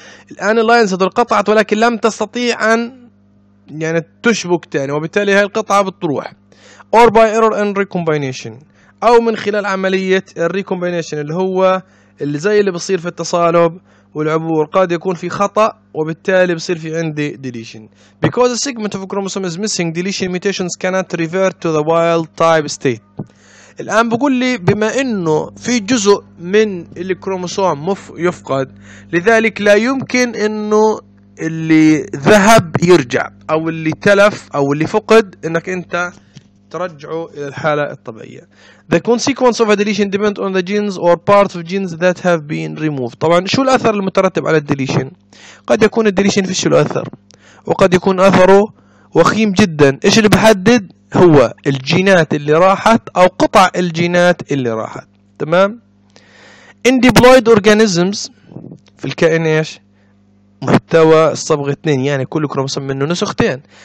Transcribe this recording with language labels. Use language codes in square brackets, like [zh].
[ar] الآن اللاينز هذول قطعت ولكن لم تستطيع أن يعني تشبك تاني، وبالتالي هاي القطعة بتروح [en] or by error in recombination [ar] أو من خلال عملية recombination اللي هو اللي زي اللي بصير في التصالب والعبور، قد يكون في خطأ وبالتالي بصير في عندي deletion. [en] Because a segment of chromosome is missing, deletion mutations cannot revert to the wild type state. [ar] الآن بقول لي بما أنه في جزء من الكروموسوم يفقد، لذلك لا يمكن أنه اللي ذهب يرجع، أو اللي تلف أو اللي فقد أنك أنت ترجعه إلى الحالة الطبيعية. [en] The consequence of a deletion depends on the genes or parts of genes that have been removed. [ar] طبعا شو الأثر المترتب على الديليشن؟ قد يكون الديليشن فيش له أثر، وقد يكون أثره وخيم جدا. إيش اللي بحدد؟ هو الجينات اللي راحت أو قطع الجينات اللي راحت. تمام؟ [en] In diploid organisms [ar] في الكائن إيش؟ محتوى الصبغة 2، يعني كل كروموسوم منه نسختين.